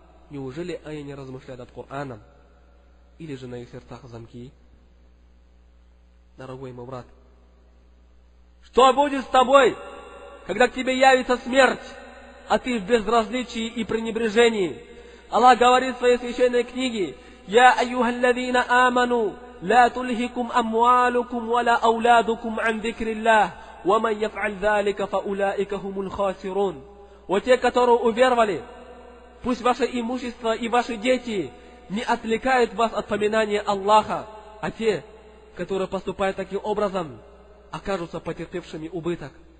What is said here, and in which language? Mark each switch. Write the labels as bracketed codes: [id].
[ru] Неужели они не размышляют над Кораном? Или же на их сердцах замки? Дорогой мой брат, что будет с тобой, когда к тебе явится смерть, а ты в безразличии и пренебрежении? Аллах говорит в своей священной книге: «Я [ar] أَيُّهَا الَّذِينَ آمَنُوا لَا تُلْهِكُمْ أَمْوَالُكُمْ وَلَا أَوْلَادُكُمْ عَنْ ذِكْرِ اللَّهِ». وَمَنْ يَفْعَلْ ذَلِكَ فَأُولَٰئِكَ هُمُ الْخَاسِرُونَ. [ru] Вот те, которые уверовали, пусть ваше имущество и ваши дети не отвлекают вас от поминания Аллаха, а те, которые поступают таким образом, окажутся потерпевшими убыток.